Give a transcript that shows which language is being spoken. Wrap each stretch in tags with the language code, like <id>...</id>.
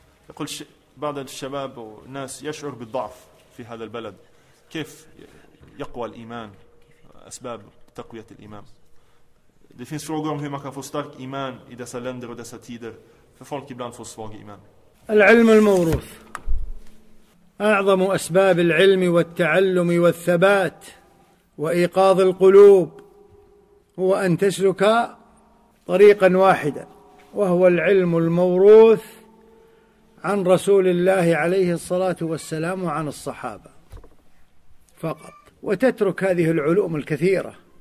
<ar>يقول بعض الشباب وناس يشعر بالضعف في هذا البلد. كيف يقوى الإيمان؟ أسباب تقوية الإيمان.</ar> <sv>Det finns frågor om hur man kan få stark iman i dessa länder och dessa tider. För folk ibland får svag iman.</sv> <ar>العلم الموروث. أعظم أسباب العلم والتعلم والثبات وإيقاظ القلوب هو أن تسلك طريقا واحدا وهو العلم الموروث عن رسول الله عليه الصلاة والسلام وعن الصحابة فقط، وتترك هذه العلوم الكثيرة</ar>